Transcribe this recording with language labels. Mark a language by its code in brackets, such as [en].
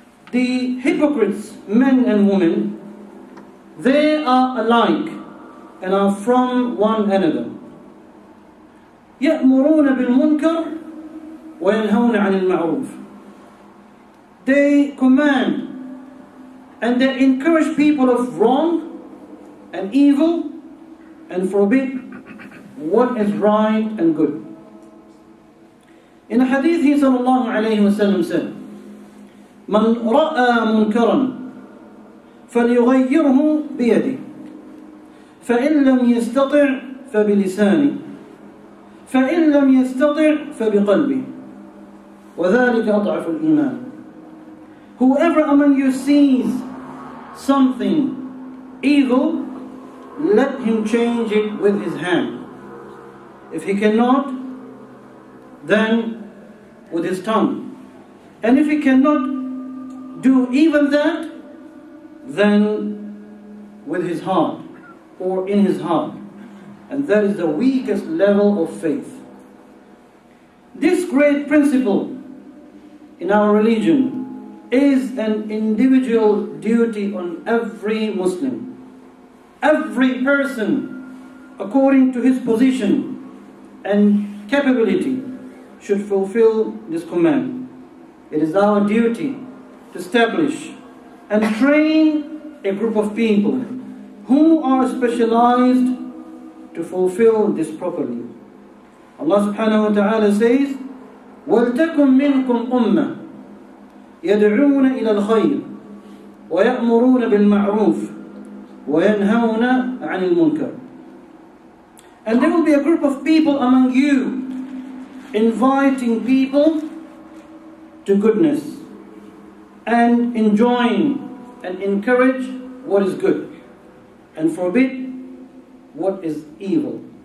[en] The hypocrites, men and women, they are alike and are from one another. [ar] يأمرون بالمنكر وينهون عن المعروف. [en] They command and they encourage people of wrong and evil and forbid what is right and good. In a hadith, he sallallahu alayhi wa sallam said, [ar] من رأى منكرا فليغيره بيده فإن لم يستطع فبلسانه فإن لم يستطع فبقلبه وذلك أضعف الإيمان. [en] Whoever among you sees something evil, let him change it with his hand. If he cannot, then with his tongue. And if he cannot do even that, then with his heart or in his heart. And that is the weakest level of faith. This great principle in our religion is an individual duty on every Muslim. Every person, according to his position and capability, should fulfill this command. It is our duty to establish and train a group of people who are specialized to fulfill this properly. Allah subhanahu wa ta'ala says, [ar] وَلْتَكُمْ مِنْكُمْ أُمَّةً يَدْعُونَ إِلَى الْخَيْرِ وَيَأْمُرُونَ بِالْمَعْرُوفِ وَيَنْهَوْنَ عَنِ الْمُنْكَرِ. [en] And there will be a group of people among you inviting people to goodness and enjoying and encourage what is good and forbid what is evil.